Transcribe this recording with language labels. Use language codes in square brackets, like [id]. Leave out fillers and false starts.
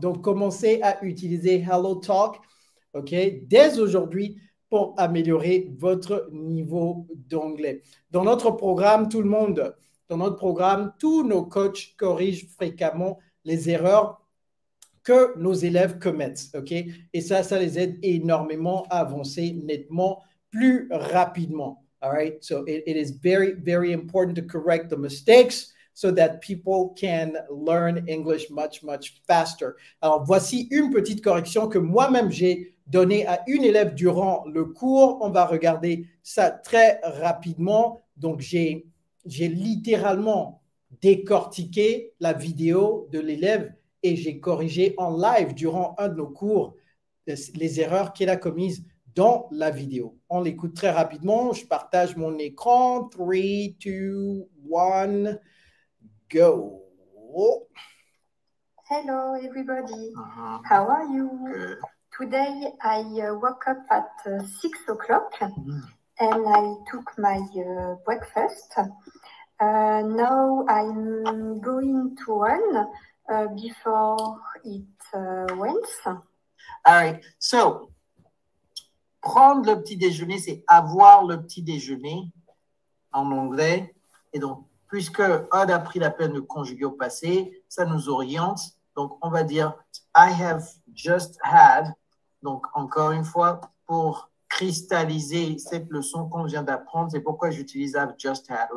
[fr] Donc, commencez à utiliser Hello Talk, OK, dès aujourd'hui pour améliorer votre niveau d'anglais. Dans notre programme, tout le monde, dans notre programme, tous nos coachs corrigent fréquemment les erreurs que nos élèves commettent, OK? Et ça, ça les aide énormément à avancer nettement plus rapidement, [en] all right? So it is very, very important to correct the mistakes so that people can learn English much, much faster. [fr] Alors, voici une petite correction que moi-même j'ai donnée à une élève durant le cours. On va regarder ça très rapidement. Donc, j'ai littéralement décortiqué la vidéo de l'élève et j'ai corrigé en live durant un de nos cours les erreurs qu'elle a commises dans la vidéo. On l'écoute très rapidement. Je partage mon écran. 3, 2, 1, go. [en] Hello, everybody. Uh-huh. How are you? Good. Today, I woke up at 6 o'clock and I took my breakfast. Now, I'm going to run before it rains. All right. [fr] So, prendre le petit déjeuner, c'est avoir le petit déjeuner en anglais. Et donc, puisque Odd a pris la peine de conjuguer au passé, ça nous oriente. Donc, on va dire [en] I have just had. [fr] Donc, encore une fois, pour cristalliser cette leçon qu'on vient d'apprendre, c'est pourquoi j'utilise [en] I've just had.